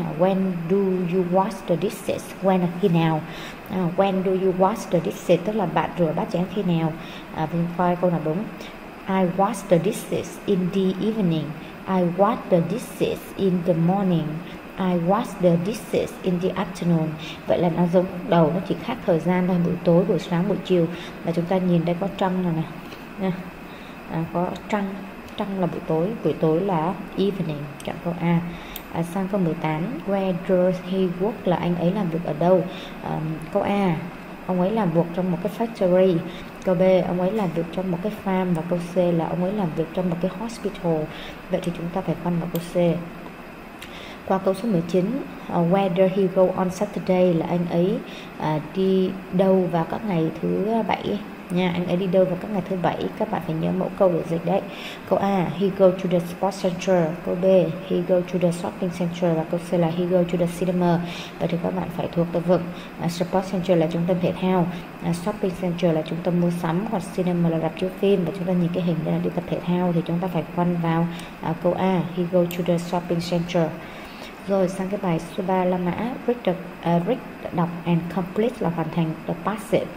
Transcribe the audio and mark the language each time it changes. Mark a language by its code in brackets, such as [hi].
[en] When do you wash the dishes? [vi] When, khi nào? When do you wash the dishes, tức là bạn rửa bát chén khi nào? Mình coi câu nào đúng. [en] I wash the dishes in the evening. I wash the dishes in the morning. I wash the dishes in the afternoon. [vi] Vậy là nó giống đầu, nó chỉ khác thời gian thôi, buổi tối, buổi sáng, buổi chiều. Và chúng ta nhìn đây có trăng rồi nè. Có trăng. Trăng là buổi tối là evening. Chọn câu A. Sang câu 18, where does he work, là anh ấy làm việc ở đâu? Câu A, ông ấy làm việc trong một cái factory. Câu B, ông ấy làm việc trong một cái farm. Và câu C là ông ấy làm việc trong một cái hospital. Vậy thì chúng ta phải phân vào câu C. Qua câu số 19, where does he go on Saturday, là anh ấy đi đâu vào các ngày thứ bảy? Nha, anh ấy đi đâu vào các ngày thứ bảy? Các bạn phải nhớ mẫu câu để dịch đấy. Câu A, he go to the sports center. Câu B, he go to the shopping center. Và câu C là he go to the cinema. Vậy thì các bạn phải thuộc từ vựng. Sports center là trung tâm thể thao, shopping center là trung tâm mua sắm, hoặc cinema là rạp chiếu phim. Và chúng ta nhìn cái hình đây là đi tập thể thao, thì chúng ta phải khoanh vào câu A, he go to the shopping center. Rồi sang cái bài số 3 La Mã. Rick đọc and complete, là hoàn thành the passive.